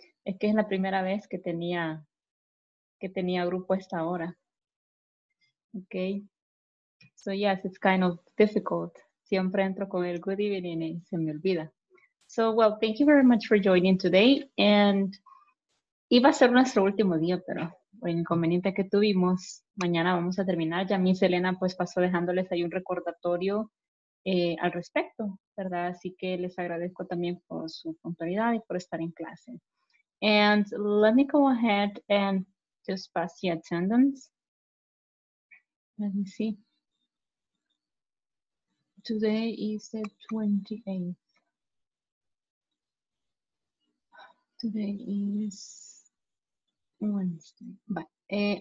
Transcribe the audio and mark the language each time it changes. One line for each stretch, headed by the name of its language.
Spanish: Es que es la primera vez que tenía grupo esta hora. Okay.
English: So yes, it's kind of difficult.
Spanish: Siempre entro con el
English: good evening
Spanish: y se me olvida.
English: So, well, thank you very much for joining today.
Spanish: And iba a ser nuestro último día, pero el inconveniente que tuvimos, mañana vamos a terminar. Ya Miss Elena pues pasó dejándoles ahí un recordatorio al respecto, ¿verdad? Así que les agradezco también por su puntualidad y por estar en clase.
English: And let me go ahead and just pass the attendance. Let me see. Today is the 28th. Today is Wednesday. Bye.